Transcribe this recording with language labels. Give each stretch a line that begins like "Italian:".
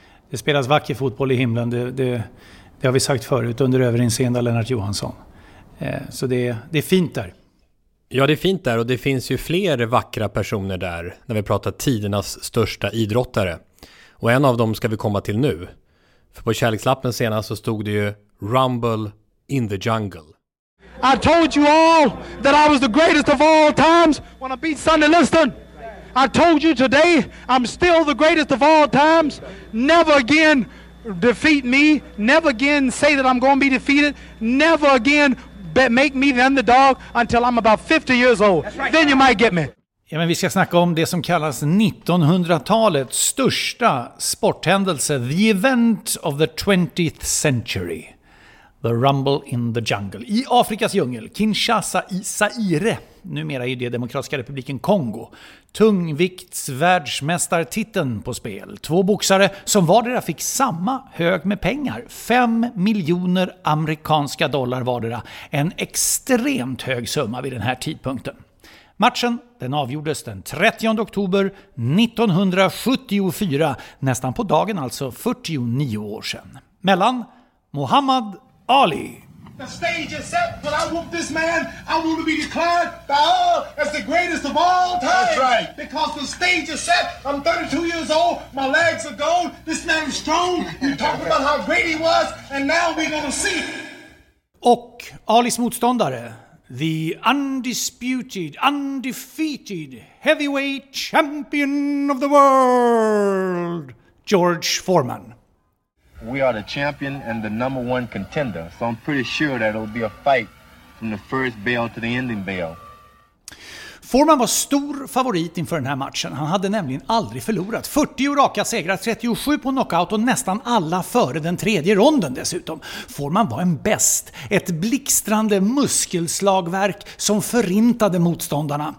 Swedish: Det spelas vacker fotboll i himlen, det har vi sagt förut, under överinseende Lennart Johansson. Så det är fint där. Ja, det är fint där, och det finns ju fler vackra personer där när vi pratar tidernas största idrottare. Och en av dem ska vi komma till nu. För på kärlekslappen senast så stod det ju Rumble in the Jungle.
English: I told you all that I was the greatest of all times when I beat Sonny Liston. I told you today I'm still the greatest of all times. Never again defeat me. Never again say that I'm going to be defeated. Never again make me the underdog until I'm about 50 years old. Right. Then you might get me.
Swedish: Ja, men vi ska snacka om det som kallas 1900-talets största sporthändelse.
English: The event of the 20th century. The Rumble in the Jungle.
Swedish: I Afrikas djungel, Kinshasa i Zaire, numera i det demokratiska republiken Kongo. Tungviktsvärldsmästartiteln på spel. Två boxare som vardera fick samma hög med pengar. 5 miljoner amerikanska dollar vardera. En extremt hög summa vid den här tidpunkten. Matchen, den avgjordes den 30 oktober 1974, nästan på dagen alltså 49 år sedan. Mellan Muhammad Ali.
English: The stage is set, but I want this man, I want to be declared as the greatest of all time. That's right. Because the stage is set, I'm 32 years old, my legs are gone, this man is strong, you talked about how great he was, and now we're gonna see.
Swedish: Och Alis motståndare,
English: the undisputed, undefeated heavyweight champion of the world,
Swedish: George Foreman.
English: We are the champion and the number one contender, so I'm pretty sure that it'll be a fight from the first bell to the ending bell.
Swedish: Foreman var stor favorit inför den här matchen. Han hade nämligen aldrig förlorat. 40 raka segrar, 37 på knockout och nästan alla före den tredje ronden dessutom. Foreman var en best, ett blixtrande muskelslagverk som förintade motståndarna.